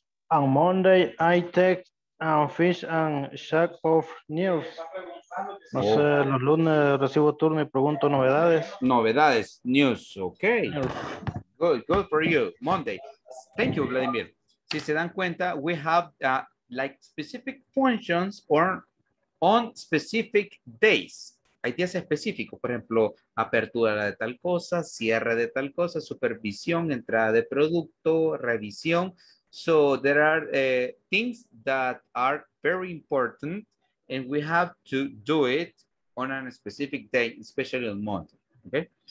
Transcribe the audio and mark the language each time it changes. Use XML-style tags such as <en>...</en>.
<en>On Monday, I take fish and shack of news.</en> <es>No oh. sé, los lunes recibo turno y pregunto novedades.</es> <en>Novedades, news, okay. Good, good for you, Monday. Thank you, Vladimir.</en> <es>Si se dan cuenta,</es> <en>we have like specific functions or on specific days.</en> <es>Hay días específicos, por ejemplo, apertura de tal cosa, cierre de tal cosa, supervisión, entrada de producto, revisión.</es> <en>So there are things that are very important and we have to do it on a specific day, especially on Monday, okay?</en>